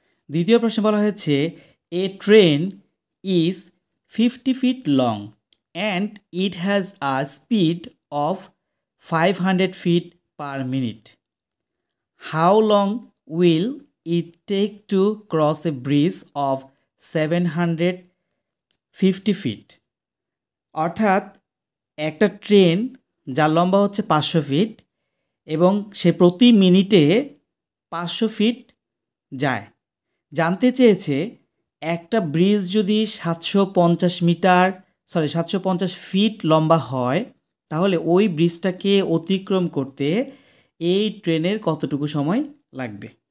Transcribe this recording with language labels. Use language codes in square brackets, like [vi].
[bn] দ্বিতীয় প্রশ্নে বলা হয়েছে, [en] A train is 50 feet long and it has a speed of 500 feet per minute, how long will it takes to cross a bridge of 750 feet. [bn] অর্থাৎ একটা train যার লম্বা হচ্ছে 500 ফিট এবং সে প্রতি মিনিটে 500 ফিট যায়। জানতে চেয়েছে একটা ব্রিজ যদি 750 ফিট লম্বা হয় তাহলে ওই ব্রিজটাকে অতিক্রম করতে এই ট্রেনের কতটুকু সময় লাগবে।